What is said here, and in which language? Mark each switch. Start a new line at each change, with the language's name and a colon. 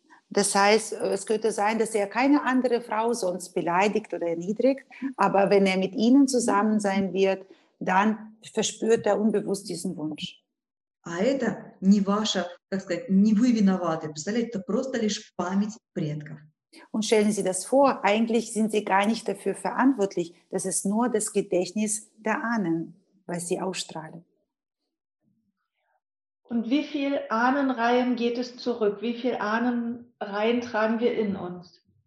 German: Das heißt, es könnte sein, dass er keine andere Frau sonst beleidigt oder erniedrigt, aber wenn er mit ihnen zusammen sein wird, dann verspürt er unbewusst diesen Wunsch.
Russian: А это не ваша, как сказать, не вы виноваты, представляете, это просто лишь память предков.
German: Und stellen Sie das vor, eigentlich sind Sie gar nicht dafür verantwortlich, das ist nur das Gedächtnis der Ahnen, was Sie ausstrahlen. Und wie viele Ahnenreihen geht es zurück? Wie viele Ahnenreihen tragen wir in uns?